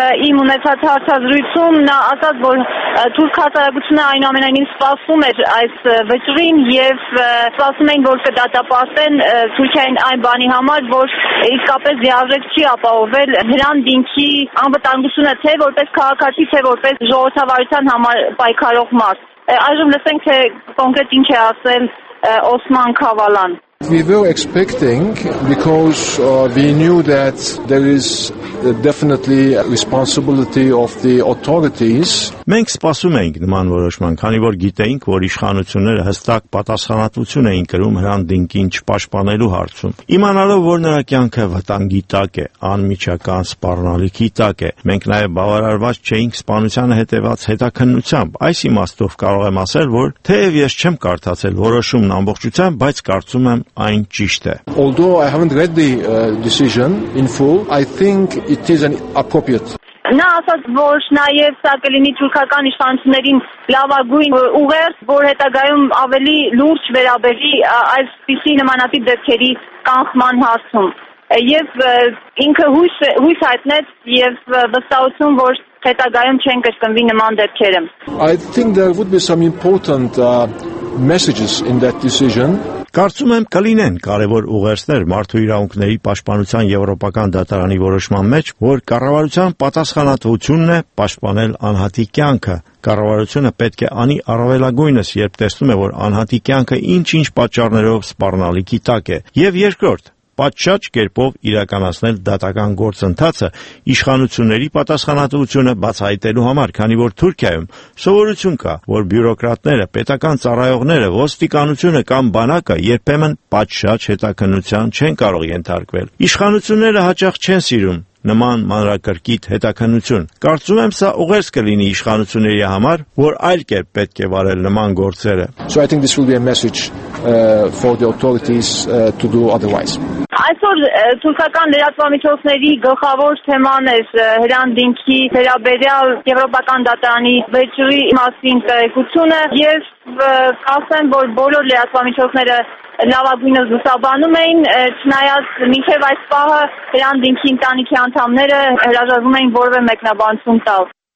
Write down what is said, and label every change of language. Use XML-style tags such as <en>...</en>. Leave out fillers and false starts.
<hy>իմ ունեցած հարցազրույցում նա ասաց, որ թուրք հասարակությունը այնուամենայնիվ սպասում էր այս վճռին և սպասում էին, որ կդատապարտեն Թուրքիային այն բանի համար, որ իսկապես դիարժեք չի ապահովել Հրանտ Դինքի անվտանգությունը, թե որպես քաղաքացի, թե որպես ժողովրդավարության համար պայքարող մարդ։ Այժմ լսենք, թե կոնկրետ ինչ է ասել Օսման Քավալան։</hy> <en>We were expecting, because we knew that there is definitely a responsibility of the authorities.</en> <hy>Մենք սպասում էինք նման որոշման, քանի որ գիտեինք, որ իշխանությունները հստակ պատասխանատվություն էին կրում Հրանտ Դինքին չպաշտպանելու հարցում։ Իմանալով, որ նրա կյանքը վտանգի տակ է, անմիջական սպառնալիքի տակ է, մենք նաև բավարարված չէինք սպանությանը հետևած հետաքննությամբ։ Այս իմաստով կարող եմ ասել, որ թեև ես չեմ կարդացել որոշումն ամբողջությամբ, բայց կարծում եմ այն ճիշտ է։</hy> <en>Although I haven't read the decision in full, I think it is an appropriate.</en> <hy>Նա ասաց, որ նաև սա կլինի թուրքական իշխանություններին լավագույն ուղերձ, որ հետագայում ավելի լուրջ վերաբերվի այսպիսի նմանատիպ դեպքերի կանխման հարցում, և ինքը հույս հայտնեց և վստահություն, որ հետագայում չեն կրկնվի նման դեպքերը։</hy> <en>I think there would be some important messages in that decision.</en> <hy>Կարծում եմ կլինեն կարևոր ուղերձներ մարդու իրավունքների պաշտպանության Եվրոպական դատարանի որոշման մեջ, որ կառավարության պատասխանատվությունն է պաշտպանել անհատի կյանքը։ Կառավարությունը պետք է անի առավելագույնս, երբ տեսնում է, որ անհատի կյանքը ինչ-ինչ պատճառներով սպառնալիքի տակ է։ Եվ երկրորդ, պատշաճ կերպով իրականացնել դատական գործընթացը իշխանությունների պատասխանատվությունը բացահայտելու համար, քանի որ Թուրքիայում սովորություն կա, որ բյուրոկրատները, պետական ծառայողները, ոստիկանությունը կամ բանակը երբեմն պատշաճ հետաքննության չեն կարող ենթարկվել։ Իշխանությունները հաճախ չեն սիրում նման մանրակրկիտ հետաքննություն։ Կարծում եմ, սա ուղերձ կլինի իշխանությունների համար, որ այլ կերպ պետք է վարել նման գործերը։</hy> <en>So I think this will be a message for the authorities to do otherwise.</en> <hy>Այսօր թուրքական լրատվամիջոցների գլխավոր թեման է Հրանտ Դինքի վերաբերյալ Եվրոպական դատարանի վճռի մասին տեղեկությունը, և կասեմ, որ բոլոր լրատվամիջոցները լավագույնը զուսաբանում էին, չնայած մինչև այս պահը Հրանտ Դինքի ընտանիքի անդամները հրաժարվում էին որևէ մեկնաբանություն տալ։</hy>